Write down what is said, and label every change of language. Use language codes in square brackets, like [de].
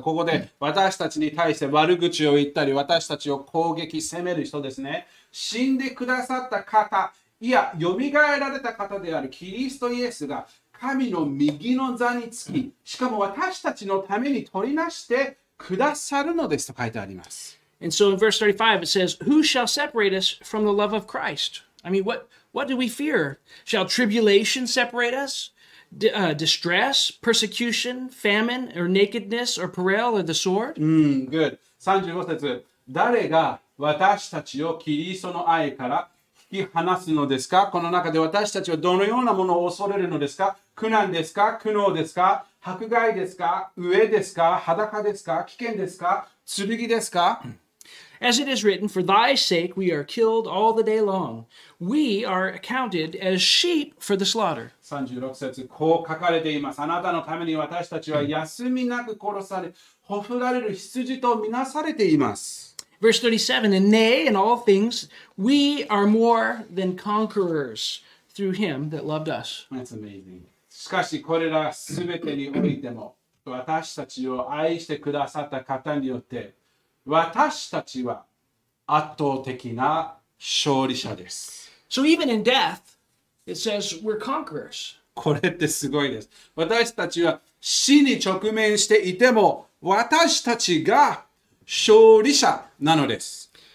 [ja] ここで私たちに対して悪口を言ったり、私たちを攻撃、責める人ですね。死んでくださった方、いや、蘇られた方であるキリストイエスが神の右の座につき、しかも私たちのために取りなしてくださるのですと書いてあります。 [en] And so in verse 35 it says, Who shall separate us from the love of Christ? I mean, what do we fear? Shall tribulation separate us? Distress, persecution, famine, or nakedness, or peril, or the sword? Good. [ja] 35節。誰が私たちをキリストの愛からき放すのですか？この中で私たちはどのようなものを恐れるのですか？苦難ですか？苦悩ですか？迫害ですか？飢えですか？裸ですか？危険ですか？剣ですか？ [en] As it is written, for thy sake we are killed all the day long. We are accounted as sheep for the slaughter. [ja] 36節、こう書かれています。あなたのために私たちは休みなく殺され、ほふられる羊とみなされています。 [en] Verse 37, and nay, in all things, we are more than conquerors through him that loved us. That's amazing. [ja] しかしこれらすべてにおいても、私たちを愛してくださった方によって、私たちは圧倒的な勝利者です。 [en] So even in death, it says we're conquerors. [ja] これってすごいです。私たちは死に直面していても、私たちが勝利者なのです。